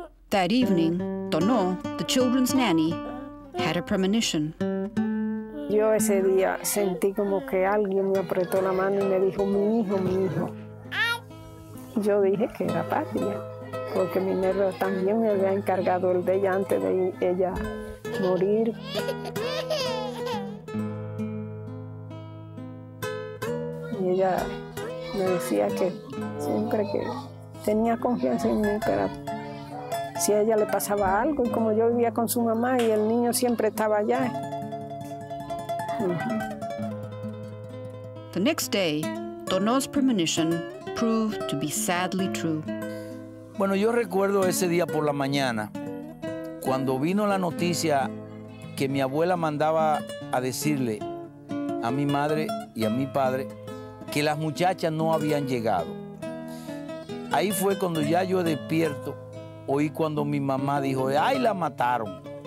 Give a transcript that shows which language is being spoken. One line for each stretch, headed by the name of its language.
English: That evening, Tonó, the children's nanny, had a premonition.
Spanish: Yo ese día sentí como que alguien me apretó la mano y me dijo, mi hijo. Yo dije que era Patria. porque Minerva también me había encargado el de ella antes de ella morir. Y ella me decía que siempre que tenía confianza en mí, pero si a ella le pasaba algo, y como yo vivía con su mamá y el niño siempre estaba allá.
English: The next day, Donó's premonition proved to be sadly true.
Spanish: Bueno, yo recuerdo ese día por la mañana, cuando vino la noticia que mi abuela mandaba a decirle a mi madre y a mi padre que las muchachas no habían llegado. Ahí fue cuando ya yo despierto, oí cuando mi mamá dijo, ¡ay, la mataron!